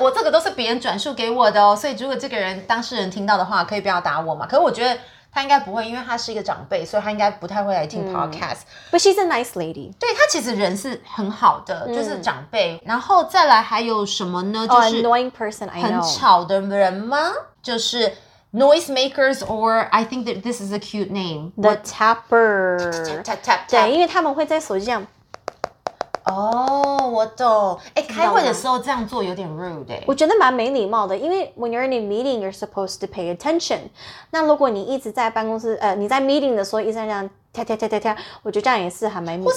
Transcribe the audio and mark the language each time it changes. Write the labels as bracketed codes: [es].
[zh] 我这个都是别人转述给我的哦，所以如果这个人当事人听到的话，可以不要打我嘛。可是我觉得他应该不会，因为他是一个长辈，所以他应该不太会来听 podcast。 [en] But she's a nice lady. [zh] 对，他其实人是很好的，就是长辈。然后再来还有什么呢？就是 [en] annoying person, I know. [zh] 很吵的人吗？ [en] 就是 noise makers, or I think that this is a cute name. The tapper. Tap tap tap. [zh] 对，因为他们会在手机这样。哦、我懂。哎，开会的时候这样做有点 rude 哎、欸。我觉得蛮没礼貌的，因为 [en] when you're in a meeting, you're supposed to pay attention。 [zh] 那如果你一直在办公室，你在 meeting 的时候一直这样跳跳跳跳跳，我觉得这样也是还蛮没礼貌的。